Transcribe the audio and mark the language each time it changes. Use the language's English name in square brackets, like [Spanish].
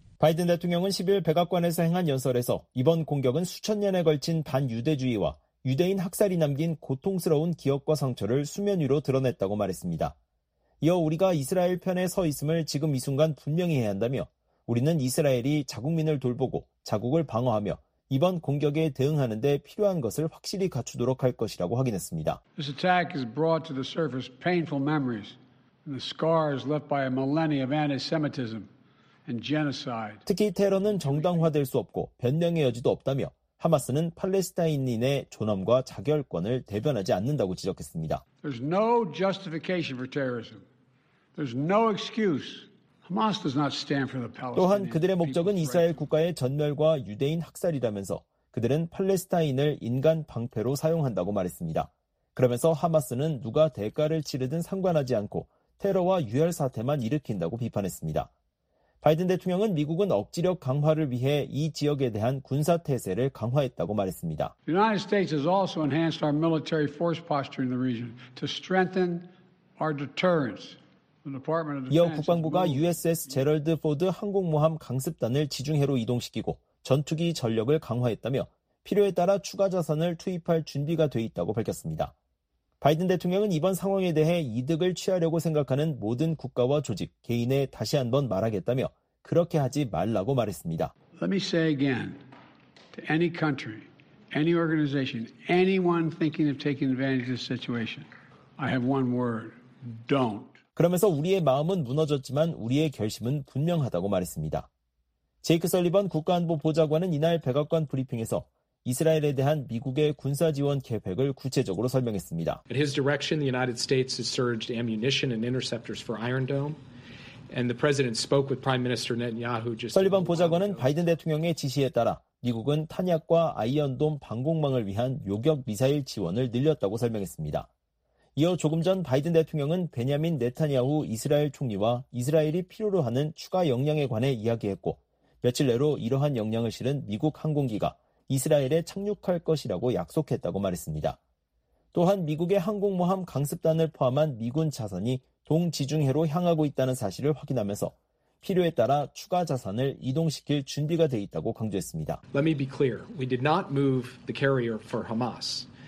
[Korean] 바이든 대통령은 10일 백악관에서 행한 연설에서 이번 공격은 수천 년에 걸친 반유대주의와 유대인 학살이 남긴 고통스러운 기억과 상처를 수면 위로 드러냈다고 말했습니다. 이어 우리가 이스라엘 편에 서 있음을 지금 이 순간 분명히 해야 한다며 우리는 이스라엘이 자국민을 돌보고 자국을 방어하며 이번 공격에 대응하는 데 필요한 것을 확실히 갖추도록 할 것이라고 확인했습니다. [English] This attack has brought to the surface painful memories and the scars left by a millennia of anti-Semitism and genocide. [Korean] 특히 테러는 정당화될 수 없고 변명의 여지도 없다며 하마스는 팔레스타인인의 존엄과 자결권을 대변하지 않는다고 지적했습니다. [English] There's no justification for terrorism. There's no excuse. Hamas does not stand for the Palestinian. [Korean] 또한 그들의 목적은 이스라엘 국가의 전멸과 유대인 학살이라면서 그들은 팔레스타인을 인간 방패로 사용한다고 말했습니다. 그러면서 하마스는 누가 대가를 치르든 상관하지 않고 테러와 유혈 사태만 일으킨다고 비판했습니다. 바이든 대통령은 미국은 억지력 강화를 위해 이 지역에 대한 군사 태세를 강화했다고 말했습니다. [English] The United States has also enhanced our military force posture in the region to strengthen our deterrence. [Korean] 이어 국방부가 USS 제럴드 포드 항공모함 강습단을 지중해로 이동시키고 전투기 전력을 강화했다며 필요에 따라 추가 자산을 투입할 준비가 돼 있다고 밝혔습니다. 바이든 대통령은 이번 상황에 대해 이득을 취하려고 생각하는 모든 국가와 조직, 개인에 다시 한번 말하겠다며 그렇게 하지 말라고 말했습니다. [English] Let me say again to any country, any organization, anyone thinking of taking advantage of this situation, I have one word, don't. [Korean] 그러면서 우리의 마음은 무너졌지만 우리의 결심은 분명하다고 말했습니다. 제이크 설리번 국가안보보좌관은 이날 백악관 브리핑에서 이스라엘에 대한 미국의 군사 지원 계획을 구체적으로 설명했습니다. [English] At his direction, the United States has surged ammunition and interceptors for Iron Dome, and the president spoke with Prime Minister Netanyahu just. [Korean] 설리번 보좌관은 바이든 대통령의 지시에 따라 미국은 탄약과 아이언돔 방공망을 위한 요격 미사일 지원을 늘렸다고 설명했습니다. 이어 조금 전 바이든 대통령은 베냐민 네타냐후 이스라엘 총리와 이스라엘이 필요로 하는 추가 역량에 관해 이야기했고 며칠 내로 이러한 역량을 실은 미국 항공기가 이스라엘에 착륙할 것이라고 약속했다고 말했습니다. 또한 미국의 항공모함 강습단을 포함한 미군 자산이 동지중해로 향하고 있다는 사실을 확인하면서 필요에 따라 추가 자산을 이동시킬 준비가 돼 있다고 강조했습니다. [English] Let me be clear. We did not move the carrier for Hamas.